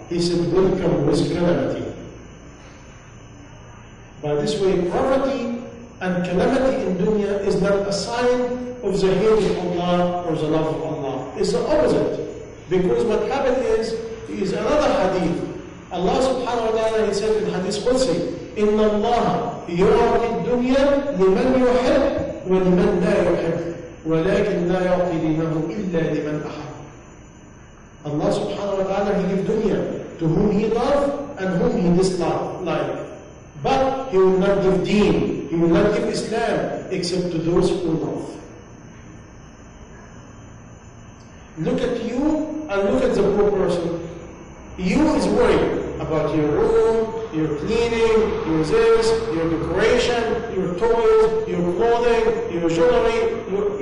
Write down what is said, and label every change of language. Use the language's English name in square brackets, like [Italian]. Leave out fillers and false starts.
[English] He said, welcome with calamity. By this way, poverty and calamity in dunya is not a sign of the hate of Allah or the love of Allah. It's the opposite. Because what happened is another hadith. Allah subhanahu wa ta'ala, he said in hadith Qudsi, [Arabic] إِنَّ اللَّهَ يُعْطِي الدُّنْيَا لِمَنْ يُحِبْ وَلِمَنْ لَا يُحِبْ وَلَكِنْ لَا يُعْطِي دِينَهُ إِلَّا لِمَنْ أَحَبْ. [English] Allah subhanahu wa ta'ala, he gives dunya to whom he loves and whom he dislikes. But he will not give deen, he will not give Islam except to those who love. Look at you and look at the poor person. You is worried about your room, your cleaning, your this, your decoration, your toys, your clothing, your jewelry.